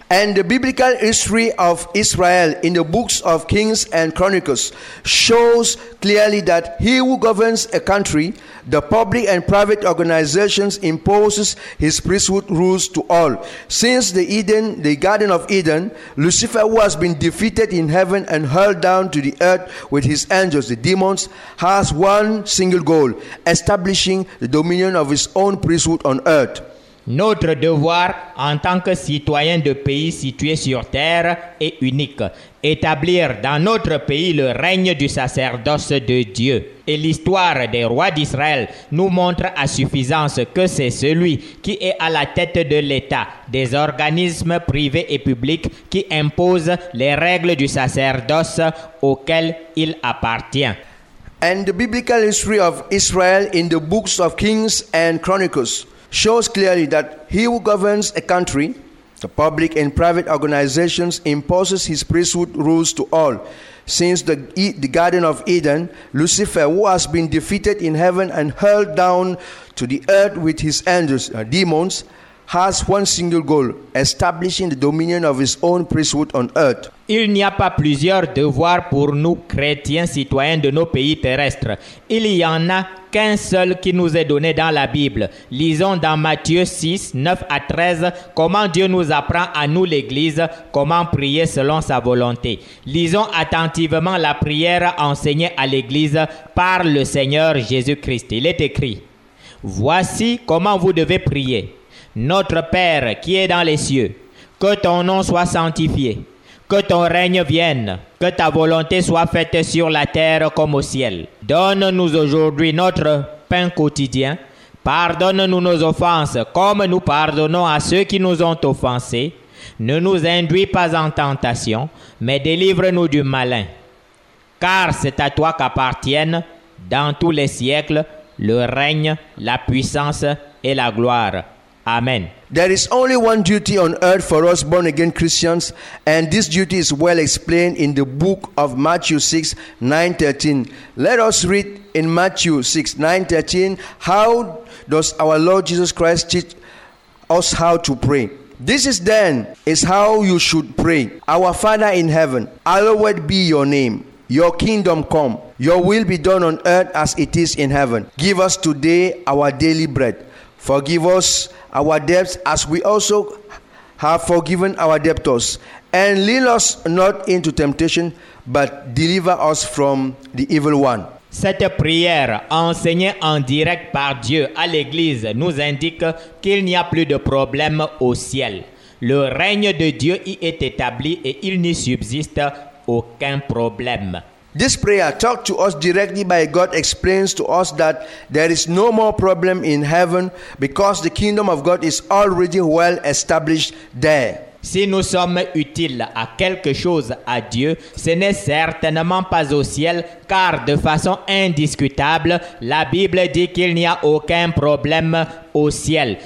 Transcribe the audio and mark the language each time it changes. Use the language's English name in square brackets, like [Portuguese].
[English] And the biblical history of Israel in the books of Kings and Chronicles shows clearly that he who governs a country, the public and private organizations, imposes his priesthood rules to all. Since the Garden of Eden, Lucifer, who has been defeated in heaven and hurled down to the earth with his angels, the demons, has one single goal, establishing the dominion of his own priesthood on earth. [French] Notre devoir en tant que citoyens de pays situés sur terre est unique. Établir dans notre pays le règne du sacerdoce de Dieu. Et l'histoire des rois d'Israël nous montre à suffisance que c'est celui qui est à la tête de l'État, des organismes privés et publics qui impose les règles du sacerdoce auquel il appartient. [English] And the biblical history of Israel in the books of Kings and Chronicles shows clearly that he who governs a country, the public and private organizations, imposes his priesthood rules to all. Since the Garden of Eden, Lucifer, who has been defeated in heaven and hurled down to the earth with his angels, demons, has one single goal, establishing the dominion of his own priesthood on earth. [French] Il n'y a pas plusieurs devoirs pour nous, chrétiens, citoyens de nos pays terrestres. Il y en a qu'un seul qui nous est donné dans la Bible. Lisons dans Matthieu 6, 9 à 13, comment Dieu nous apprend à nous, l'Église, comment prier selon sa volonté. Lisons attentivement la prière enseignée à l'Église par le Seigneur Jésus-Christ. Il est écrit, « Voici comment vous devez prier. Notre Père qui est dans les cieux, que ton nom soit sanctifié. » Que ton règne vienne, que ta volonté soit faite sur la terre comme au ciel. Donne-nous aujourd'hui notre pain quotidien. Pardonne-nous nos offenses comme nous pardonnons à ceux qui nous ont offensés. Ne nous induis pas en tentation, mais délivre-nous du malin. Car c'est à toi qu'appartiennent, dans tous les siècles, le règne, la puissance et la gloire. Amen. [English] There is only one duty on earth for us born again Christians, and this duty is well explained in the book of Matthew 6, 9-13. Let us read in Matthew 6, 9-13, how does our Lord Jesus Christ teach us how to pray? This is then is how you should pray. Our Father in heaven, hallowed be your name. Your kingdom come. Your will be done on earth as it is in heaven. Give us today our daily bread. Forgive us our debts as we also have forgiven our debtors. And lead us not into temptation, but deliver us from the evil one. [French] Cette prière enseignée en direct par Dieu à l'Église nous indique qu'il n'y a plus de problème au ciel. Le règne de Dieu y est établi et il n'y subsiste aucun problème. [English] This prayer talked to us directly by God explains to us that there is no more problem in heaven because the kingdom of God is already well established there. [French] Si nous sommes utiles à quelque chose à Dieu, ce n'est certainement pas au ciel, car de façon indiscutable, la Bible dit qu'il n'y a aucun problème au ciel.